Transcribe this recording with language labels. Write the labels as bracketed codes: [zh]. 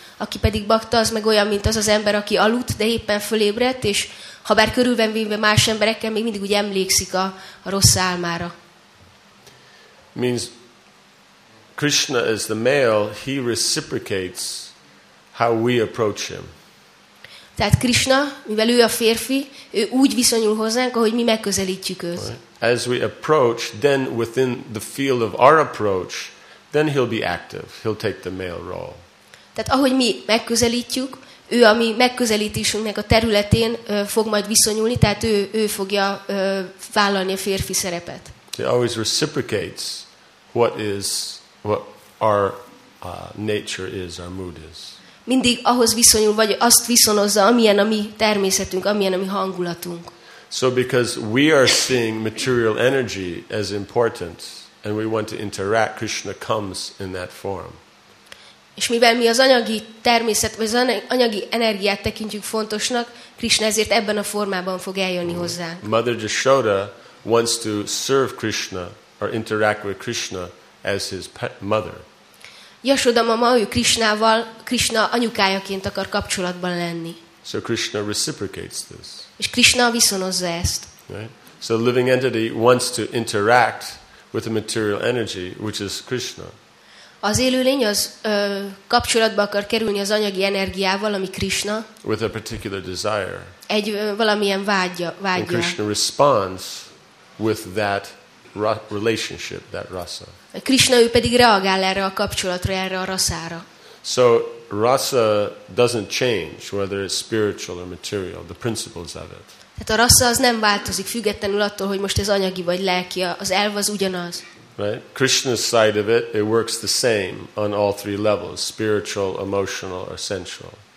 [hu] Aki pedig bakta, az meg olyan, mint az az ember, aki aludt, de éppen fölébredt, és ha bár körülvenvéve más emberekkel, még mindig úgy emlékszik a rossz álmára. [en] Means Krishna is the male, he reciprocates how we approach him. [hu] Tehát Krishna, mivel ő a férfi, ő úgy viszonyul hozzánk, ahogy mi megközelítjük őt. [en] As we approach, then within the field of our approach, then he'll be active. He'll take the male role. [hu] Tehát ahogy mi megközelítjük, ő a mi megközelítésünknek a területén fog majd viszonyulni, tehát ő fogja vállalni a férfi szerepet. [en] He always reciprocates what our nature is, our mood is. [hu] Mindig ahhoz viszonyul, vagy azt viszonozza, amilyen a mi természetünk, amilyen a mi hangulatunk. [en] So because we are seeing material energy as important, and we want to interact, Krishna comes in that form. [hu] És mivel mi az anyagi természet, vagy az anyagi energiát tekintjük fontosnak, Krishna ezért ebben a formában fog eljönni hozzánk. [en] Mother Jashoda wants to serve Krishna or interact with Krishna as his mother. [hu] Yashoda mama, ő Krishnával, Krishna anyukájaként akar kapcsolatban lenni. [en] So Krishna reciprocates this. [hu] És Krishna viszonozza ezt. [en] Right? So the living entity wants to interact with the material energy, which is Krishna. [hu] Az élőlény az kapcsolatba akar kerülni az anyagi energiával, ami Krishna. [en] With a particular desire. [hu] Egy valamilyen vágya. [en] And Krishna responds with that relationship, that rasa. [hu] Krishna ő pedig reagál erre a kapcsolatra, erre a rasára. [en] So rasa doesn't change whether it's spiritual or material, the principles of it. [hu] Tehát a rasa az nem változik függetlenül attól, hogy most ez anyagi vagy lelki, az elv az ugyanaz. [en] Right? Krishna's side of it, it works the same on all three levels, spiritual, emotional or sensual.